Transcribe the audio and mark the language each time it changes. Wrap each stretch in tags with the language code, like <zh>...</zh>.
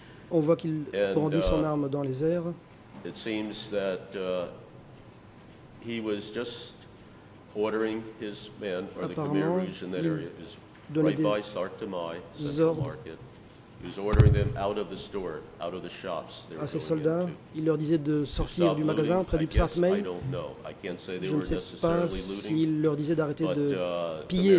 <fr>On voit qu'il brandit son arme dans les airs.</fr> <en>It seems that he was just ordering his men, or the Khmer Rouge in that area, is right by Sartamai Central Market. He was ordering them out of the store, out of the shops.</en> <fr>À ses soldats, il leur disait de sortir du magasin près du Sartamai. Je ne sais pas s'il leur disait d'arrêter de piller.</fr>